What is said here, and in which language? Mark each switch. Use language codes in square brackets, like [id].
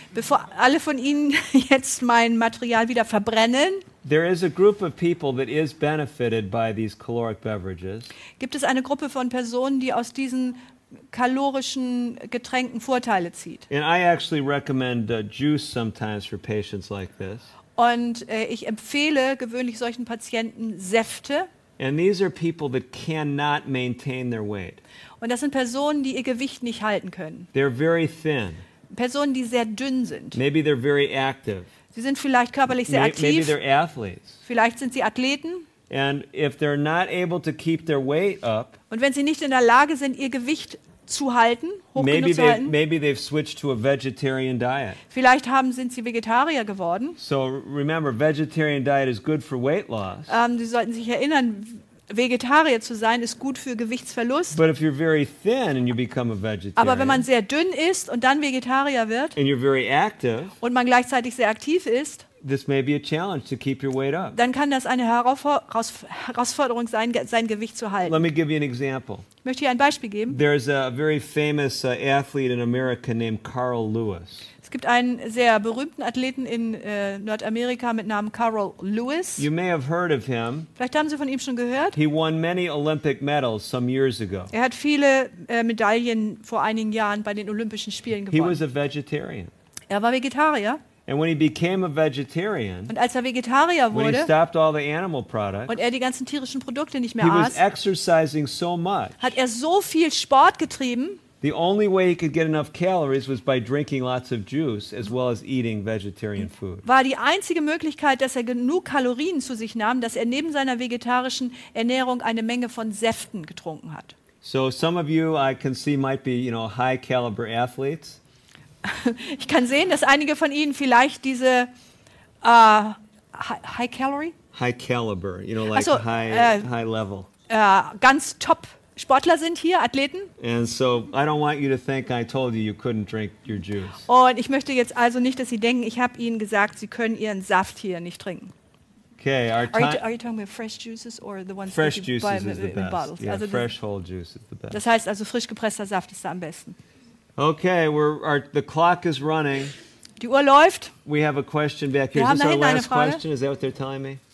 [de] Bevor alle von Ihnen jetzt mein Material wieder verbrennen. [en] There is a group of people that is benefited by these caloric beverages. [de] Gibt es eine Gruppe von Personen, die aus diesen kalorischen Getränken Vorteile zieht? [en] And I actually recommend juice sometimes for patients like this. [de] Und ich empfehle gewöhnlich solchen Patienten Säfte. [en] And these are people that cannot maintain their weight. [de] Und das sind Personen, die ihr Gewicht nicht halten können. [en] They're very thin. [de] Personen, die sehr dünn sind. [en] Maybe they're very active. [de] Sie sind vielleicht körperlich sehr aktiv. [en] Maybe they're athletes. [de] Vielleicht sind sie Athleten. [en] And if they're not able to keep their weight up, [de] und wenn sie nicht in der Lage sind, ihr Gewicht zu halten, hoch genug zu halten, [en] maybe they've switched to a vegetarian diet. [de] Vielleicht sind sie Vegetarier geworden. [en] So remember, vegetarian diet is good for weight loss. [de] Sie sollten sich erinnern, Vegetarier zu sein ist gut für Gewichtsverlust. [en] But if you're very thin and you become a vegetarian, [de] aber wenn man sehr dünn ist und dann Vegetarier wird, [en] and you're very active, [de] und man gleichzeitig sehr aktiv ist, [en] this may be a challenge to keep your weight up. [de] Dann kann das eine Herausforderung sein, sein Gewicht zu halten. [en] Let me give you an example. [de] Ich möchte hier ein Beispiel geben. [en] There's a very famous athlete in America named Carl Lewis. [de] Es gibt einen sehr berühmten Athleten in Nordamerika mit Namen Carl Lewis. [en] You may have heard of him. [de] Vielleicht haben Sie von ihm schon gehört. [en] He won many Olympic medals some years ago. [de] Er hat viele Medaillen vor einigen Jahren bei den Olympischen Spielen gewonnen. [en] He was a vegetarian. [de] Er war Vegetarier. [en] And when he became a vegetarian, [de] und als er Vegetarier wurde, [en] when he stopped all the animal products, [de] und er die ganzen tierischen Produkte nicht mehr aß, [en] he was exercising so much, [de] hat er so viel Sport getrieben, [en] the only way he could get enough calories was by drinking lots of juice as well as eating vegetarian food. [de] War die einzige Möglichkeit, dass er genug Kalorien zu sich nahm, dass er neben seiner vegetarischen Ernährung eine Menge von Säften getrunken hat. [en] So some of you I can see might be, you know, high caliber athletes. [de] Ich kann sehen, dass einige von Ihnen vielleicht diese [en] high calorie? High caliber, you know, like high level. [de] Ganz top Sportler sind hier, Athleten. [en] And so I don't want you to think I told you you couldn't drink your juice. [de] Und ich möchte jetzt also nicht, dass Sie denken, ich habe Ihnen gesagt, Sie können Ihren Saft hier nicht trinken. [en] Okay, are you talking about fresh juices or the ones fresh that you juices buy is the in best. Bottles? Yeah, also fresh whole juice is the best. [de] Das heißt also, frisch gepresster Saft ist da am besten. [en] Okay, the clock is running. [de] Die Uhr läuft. [en] We have a question back here. Is this our last question? Is that what they're telling me?